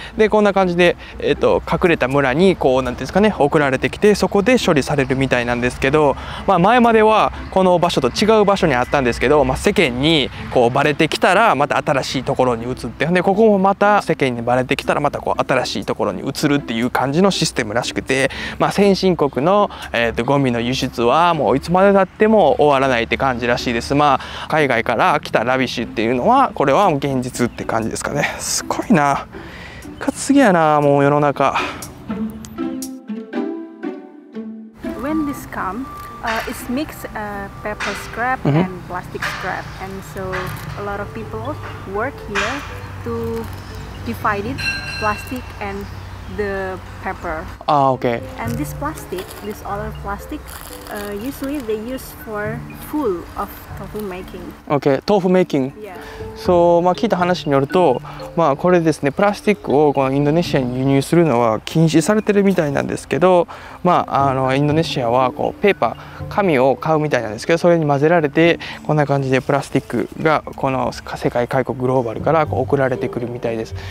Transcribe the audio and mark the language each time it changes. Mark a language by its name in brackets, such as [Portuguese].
[Japanese] でこんな感じで、隠れた村にこうなんていうんですかね、送られてきて、そこで処理されるみたいなんですけど、まあ、前まではこの場所と違う場所にあったんですけど、まあ、世間にこうバレてきたらまた新しいところに移って、でここもまた世間にバレてきたらまたこう新しいところに移るっていう感じのシステムらしくて、まあ、先進国の、ゴミの輸出はもういつまでたっても終わらないって感じらしいです。まあ、海外から来たラビッシュっていうのはこれは現実って感じですかね。すごいな、かつすぎやな、もう世の中。 [English] When this come, it's mixed paper scrap and plastic scrap, and so a lot of people work here to divide it, plastic andthe pepper. Ah, okay. And this plastic, this other plastic, usually they use for full of tofu making. Okay, tofu making. Yeah. [Japanese] そう、まあ、聞いた話によると、まあ、これですね、プラスチックをこのインドネシアに輸入するのは禁止されてるみたいなんですけど、まあ、あのインドネシアはこうペーパー、紙を買うみたいなんですけど、それに混ぜられてこんな感じでプラスチックがこの世界各国グローバルからこう送られてくるみたいです。